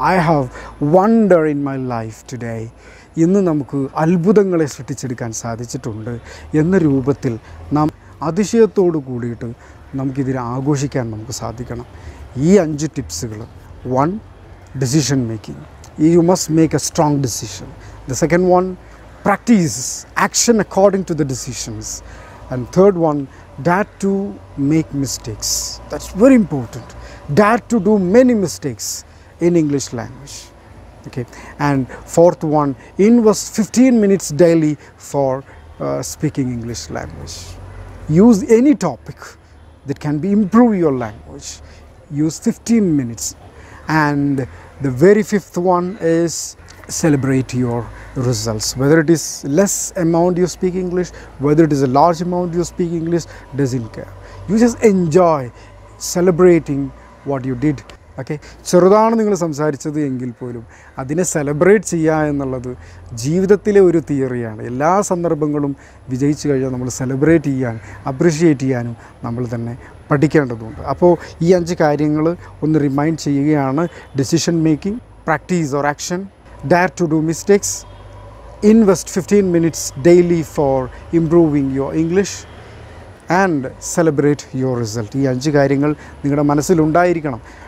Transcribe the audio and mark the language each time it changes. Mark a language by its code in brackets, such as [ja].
[en] I have wonder in my life today. [ml] ഇന്ന് നമുക്ക് അത്ഭുതങ്ങളെ സൃഷ്ടിച്ചെടുക്കാൻ സാധിച്ചിട്ടുണ്ട് എന്ന രൂപത്തിൽ നാം അതിശയത്തോടു കൂടിയിട്ട് നമുക്കിതിനെ ആഘോഷിക്കാൻ നമുക്ക് സാധിക്കണം. ഈ അഞ്ച് ടിപ്സുകൾ. [en] One, decision making. You must make a strong decision. The second one, practice action according to the decisions. And third one, dare to make mistakes. That's very important. Dare to do many mistakes in English language. Okay. And fourth one, invest 15 minutes daily for speaking English language. Use any topic that can be improve your language. Use 15 minutes. And the very fifth one is celebrate your results. Whether it is less amount you speak English, whether it is a large amount you speak English, doesn't care. You just enjoy celebrating what you did. [ml] Okay, ചെറുതാണ് നിങ്ങൾ സംസാരിച്ചത് എങ്കിൽ പോലും അതിനെ celebrate ചെയ്യുക എന്നുള്ളത് ജീവിതത്തിലെ ഒരു തിയറിയാണ്. എല്ലാ സന്ദർഭങ്ങളും വിജയിച്ചു കഴിഞ്ഞാൽ നമ്മൾ സെലിബ്രേറ്റ് ചെയ്യാൻ, അപ്രീഷിയേറ്റ് ചെയ്യാനും നമ്മൾ തന്നെ പഠിക്കേണ്ടതുണ്ട്. അപ്പോൾ ഈ അഞ്ച് കാര്യങ്ങൾ ഒന്ന് റിമൈൻഡ് ചെയ്യുകയാണ്: [en] Decision making, practice or action, dare to do mistakes, invest 15 minutes daily for improving your English, and celebrate your result. [ml] ഈ അഞ്ച് കാര്യങ്ങൾ നിങ്ങളുടെ മനസ്സിലുണ്ടായിരിക്കണം.